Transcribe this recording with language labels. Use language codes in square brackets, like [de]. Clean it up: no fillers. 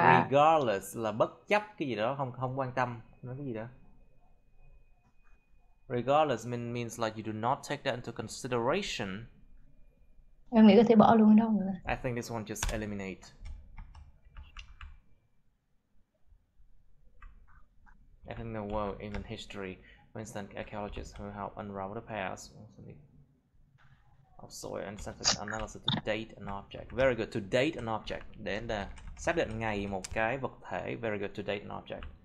[vi] regardless là bất chấp cái gì đó, không quan tâm, nói cái gì đó. [en] Regardless means like you do not take that into consideration. [vi] Em nghĩ có thể bỏ luôn đâu [en] rồi. I think this one just eliminate. I think the world, even history, for instance, archaeologists who help unravel the past of soil and surface analysis to date an object. Very good, to date an object. [vi] Để xác định ngày một cái vật thể. [en] Very good, to date an object.